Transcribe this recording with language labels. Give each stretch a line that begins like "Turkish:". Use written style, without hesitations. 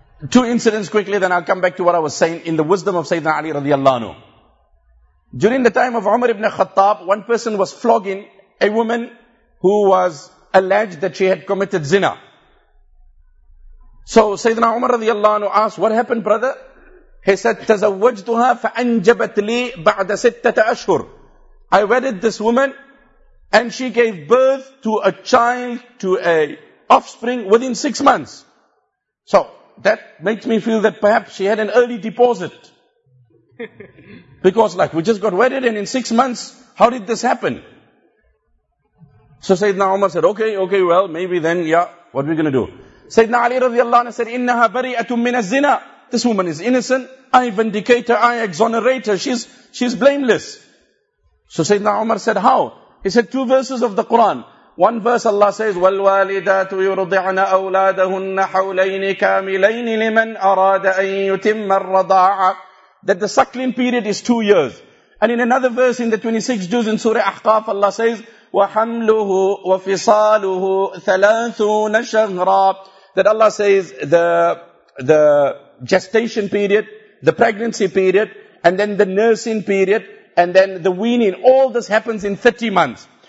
English: Two incidents quickly, then I'll come back to what I was saying in the wisdom of Sayyidina Ali radiallahu anhu. During the time of Umar ibn Khattab, one person was flogging a woman who was alleged that she had committed zina. So Sayyidina Umar radiallahu anhu asked, what happened, brother?
Arabic: He said, تَزَوَّجْتُهَا فَأَنْجَبَتْ لِي بَعْدَ سِتَّةَ أَشْهُرٍ.
English: I wedded this woman and she gave birth to a child, to a offspring within 6 months. So that makes me feel that perhaps she had an early deposit. Because like we just got wedded and in 6 months, how did this happen? So Sayyidina Umar said, okay, well, maybe then, yeah, what are we going to do?
Arabic: Sayyidina Ali radiallahu anhu said, إِنَّهَا بَرِئَةٌ مِّنَ الزِّنَا.
English: This woman is innocent. I vindicate her. I exonerate her. She's blameless. So Sayyidina Umar said, how? He said, two verses of the Quran.
Arabic: One verse Allah says, وَالْوَالِدَاتُ يُرْضِعْنَ أَوْلَادَهُنَّ حَوْلَيْنِ كَامِلَيْنِ لِمَنْ أَرَادَ أَن يُتِمَّ الرَّضَاعَ.
English: That the suckling period is 2 years. And in another verse in the 26th juz in Surah Ahqaf, Allah says,
Arabic: وَحَمْلُهُ وَفِصَالُهُ ثَلَاثُونَ شَهْرًا.
English: That Allah says, the gestation period, the pregnancy period, and then the nursing period, and then the weaning, all this happens in 30 months.